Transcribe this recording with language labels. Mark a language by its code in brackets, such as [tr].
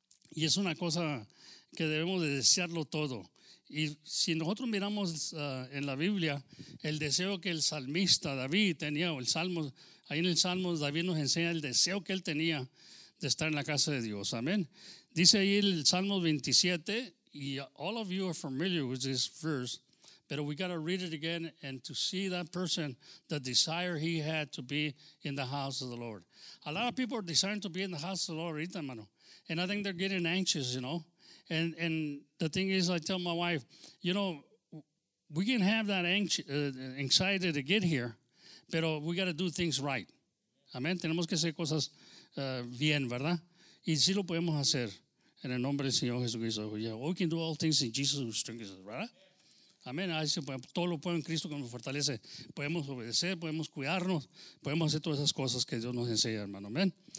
[es] Y es una cosa que debemos de desearlo todo. Y si nosotros miramos en la Biblia, el deseo que el salmista David tenía, o el Salmo, ahí en el Salmo David nos enseña el deseo que él tenía de estar en la casa de Dios. Amén. Dice ahí el Salmo 27, [en] y all of you are familiar with this verse, but we got to read it again and to see that person, the desire he had to be in the house of the Lord. A lot of people are desiring to be in the house of the Lord [es] ahorita, hermano. [en] And I think they're getting anxious, you know. And the thing is, I tell my wife, you know, we can have that anxiety to get here, but we got to do things right. Amen. [es] Tenemos que hacer cosas bien, ¿verdad? Y sí lo podemos hacer en el nombre del Señor Jesucristo. [en] Yeah, we can do all things in Jesus who strengthens us, [es] ¿verdad? Amén. Todo lo puedo en Cristo que me fortalece. Podemos obedecer, podemos cuidarnos, podemos hacer todas esas cosas que Dios nos enseña, hermano. Amén.